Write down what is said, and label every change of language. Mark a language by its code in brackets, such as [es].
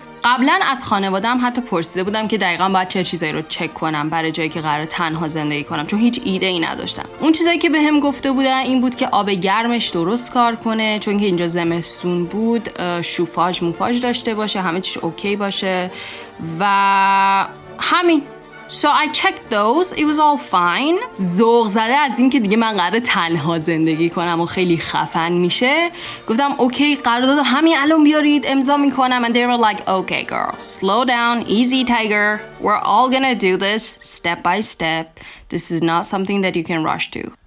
[fa] قبلا از خانواده‌ام حتی پرسیده بودم که دقیقاً باید چه چیزایی رو چک کنم برای جایی که قرار تنها زندگی کنم، چون هیچ ایده‌ای نداشتم. اون چیزایی که بهم گفته بودن این بود که آب گرمش درست کار کنه، چون که اینجا زمستون بود، شوفاژ موفاژ داشته باشه، همه چیش اوکی باشه و همین. [en] So I checked those. It was all fine. [fa] ذوق زده از این که دیگه من قراره تنها زندگی کنم و خیلی خفن میشه، گفتم اوکی، قرارداد همین الان بیارید امضا میکنم. [en] And they were like okay girl, slow down, easy tiger, we're all gonna do this step by step, this is not something that you can rush to.